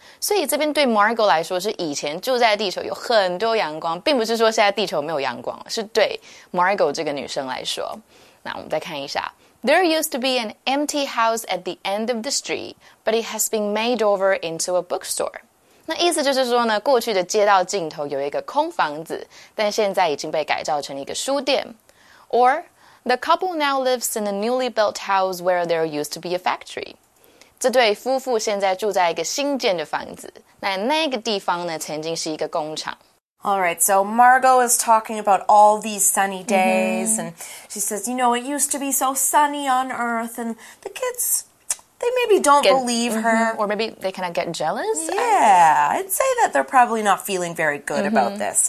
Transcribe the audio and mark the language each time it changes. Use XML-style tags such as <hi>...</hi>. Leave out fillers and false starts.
<zh>所以这边对 Margo 来说是以前住在地球有很多阳光，并不是说现在地球没有阳光，是对 Margo 这个女生来说。那我们再看一下</zh> <en>：There used to be an empty house at the end of the street， but it has been made over into a bookstore。</en> <zh>那意思就是说呢，过去的街道尽头有一个空房子，但现在已经被改造成一个书店。</zh> <en>Or, the couple now lives in a newly built house where there used to be a factory.</en> <zh>这对夫妇现在住在一个新建的房子，那个地方呢，曾经是一个工厂。</zh> <en>Alright, so Margo is talking about all these sunny days,、mm-hmm. and she says, you know, it used to be so sunny on Earth, and the kids... They maybe don't believe her. Mm-hmm. Or maybe they kind of get jealous. Yeah, I'd say that they're probably not feeling very good、mm-hmm. about this.</en>